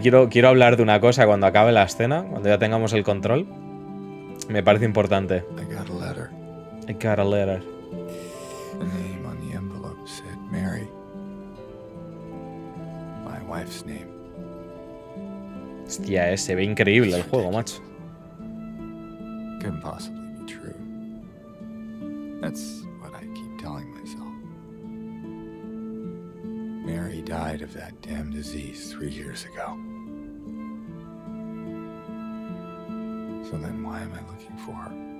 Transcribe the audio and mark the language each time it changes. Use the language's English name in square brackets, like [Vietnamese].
[Spanish] Quiero hablar de una cosa cuando acabe la escena, cuando ya tengamos el control. Me parece importante. [English] I got a letter. The name on the envelope said Mary. My wife's name. [Spanish] Hostia, se ve increíble el juego, macho. [English] Couldn't possibly be true. That's what I keep telling myself. Mary died of that damn disease 3 years ago. So then why am I looking for her?